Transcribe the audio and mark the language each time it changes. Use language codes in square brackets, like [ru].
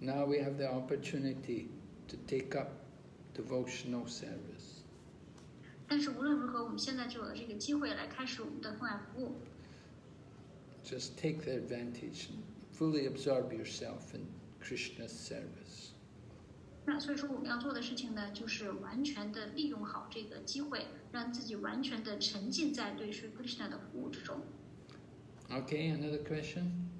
[en] we have the opportunity to take up devotional service. [zh] 但是无论如何，我们现在就有这个机会来开始我们的奉献服务。 [en] Just take the advantage and fully absorb yourself in Krishna's service. [zh] 那所以说我们要做的事情呢，就是完全的利用好这个机会，让自己完全的沉浸在对Sri Krishna的服务之中。 [en] Okay, another question?